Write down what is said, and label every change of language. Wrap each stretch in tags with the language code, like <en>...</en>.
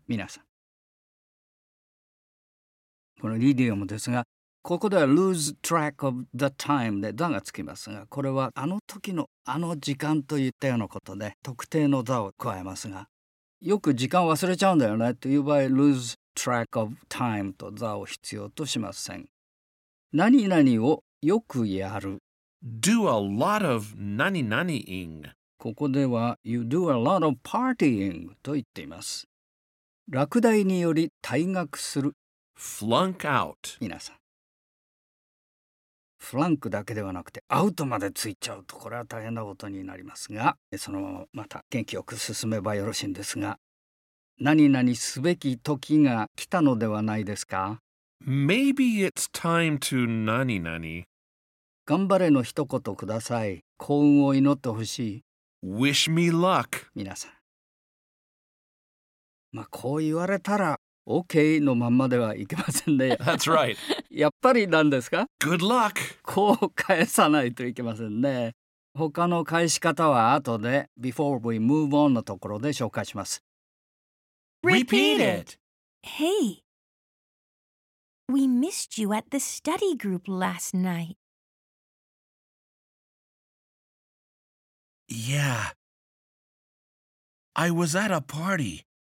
<ja>皆さんこのイディオムですが、ここでは</ja> <en>lose track of the time</en> <ja>で座がつきますが、これはあの時のあの時間といったようなことで、特定の座を加えますが、よく時間を忘れちゃうんだよねという場合、</ja> <en>lose track of time</en> <ja>と座を必要としません。何々をよくやる。</ja> <en>Do a lot of 何々ing。</en> <ja>ここでは</ja> <en>you do a lot of partying</en> <ja>と言っています。落第により退学する。</ja> <en>Flunk out.</en> <ja>皆さん。 Flunk だけではなくて、アウトまでついちゃうと、これは大変なことになりますが、そのまままた元気よく進めばよろしいんですが、何々すべき時が来たのではないですか</ja> <en>?Maybe it's time to 何々。</en> <ja>頑張れの一言ください。幸運を祈ってほしい。</ja> <en>Wish me luck.</en> <ja>皆さん。まあ、こう言われたら、OK のまんまではいけませんね。</ja> <en>That's right.</en> <ja>やっぱりなんですか</ja> <en>?Good luck!</en> <ja>こう返さないといけませんね。他の返し方は後で、</ja> <en>Before we move on</en> <ja>のところで紹介します。</ja> <en>Repeat it! Hey! We missed you at the study group last night. Yeah. I was at a party.</en>